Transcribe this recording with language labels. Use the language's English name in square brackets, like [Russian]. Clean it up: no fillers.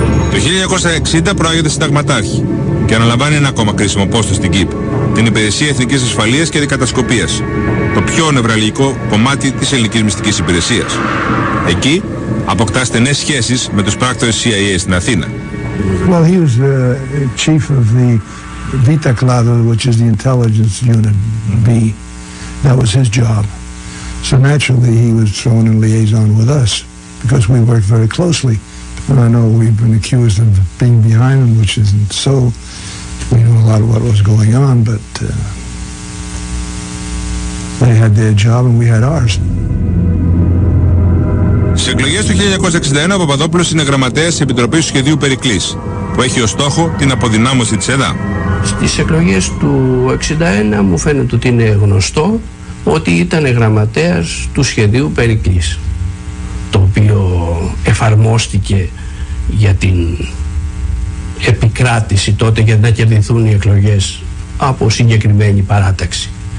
[Greek] Το 1960 προάγεται συνταγματάρχη και αναλαμβάνει ένα ακόμα κρίσιμο πόστο στην ΚΙΠ, την Υπηρεσία Εθνικής Ασφαλείας και Αντικατασκοπίας, το πιο νευραλγικό κομμάτι της ελληνικής μυστικής υπηρεσίας. Εκεί αποκτά στενές σχέσεις με τους πράκτορες CIA στην Αθήνα. [English] Well, he was the chief of the Beta Cladder, which is the intelligence unit B. That was his job. So naturally he was thrown in liaison with us, because we worked very closely. And I know we've been accused of being behind him, which isn't so. We knew a lot of what was going on, but they had their job and we had ours. [Greek] Στις εκλογές του 1961 ο Παπαδόπουλος είναι γραμματέας της Επιτροπής του Σχεδίου Περικλής, που έχει ως στόχο την αποδυνάμωση της ΕΔΑ. Στις εκλογές του 1961 μου φαίνεται ότι είναι γνωστό ότι ήταν γραμματέας του Σχεδίου Περικλής, το οποίο εφαρμόστηκε για την επικράτηση τότε για να κερδιθούν οι εκλογές από συγκεκριμένη παράταξη.